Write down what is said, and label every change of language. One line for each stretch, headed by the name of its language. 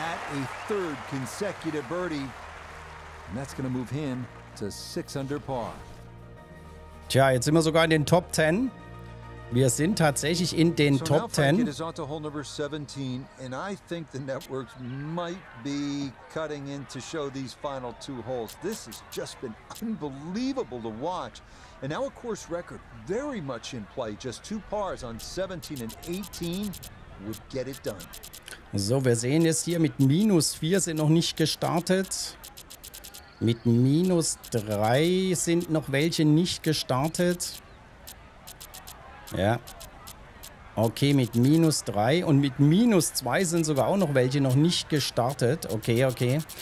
English: A third consecutive birdie. And that's going to move him to 6 under par.
German: Tja, jetzt sind wir sogar in den Top 10. Wir sind tatsächlich in den Top 10.
English: Frankie is on to hole number 17, and I think the networks might be cutting in to show these final two holes. This has just been unbelievable to watch. And now a course record very much in play. Just two pars on 17 and 18 would get it done.
German: So, wir sehen es hier mit minus 4 sind noch nicht gestartet. Mit minus 3 sind noch welche nicht gestartet. Ja. Okay, mit minus 3 und mit minus 2 sind sogar auch noch welche noch nicht gestartet. Okay, okay.